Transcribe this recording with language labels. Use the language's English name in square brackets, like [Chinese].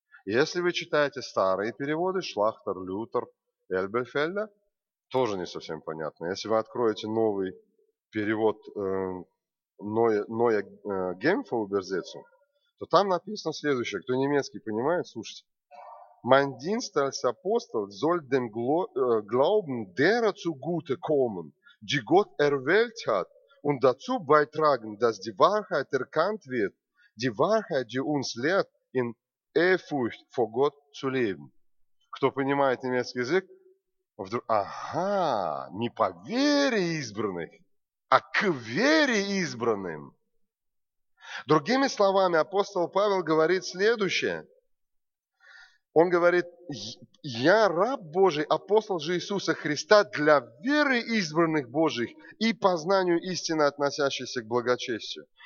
[Russian] Если вы читаете старые переводы, Шлахтер, Лютер, Эльберфельда, тоже не совсем понятно. Если вы откроете новый перевод Ноя Гемфа Уберзецу, то там написано следующее. Кто немецкий понимает, слушайте. [German] Mein Dienst als Apostel soll dem Glauben derer zugute kommen, die Gott erwählt hat und dazu beitragen, dass die Wahrheit erkannt wird, die Wahrheit, die uns lehrt, in Ehrfurcht vor Gott zu leben. [Russian] Кто понимает немецкий язык? Вдруг, ага, не по вере избранных, а к вере избранным. Другими словами, апостол Павел говорит следующее. Он говорит, я раб Божий, апостол же Иисуса Христа для веры избранных Божьих и познанию истины, относящейся к благочестию.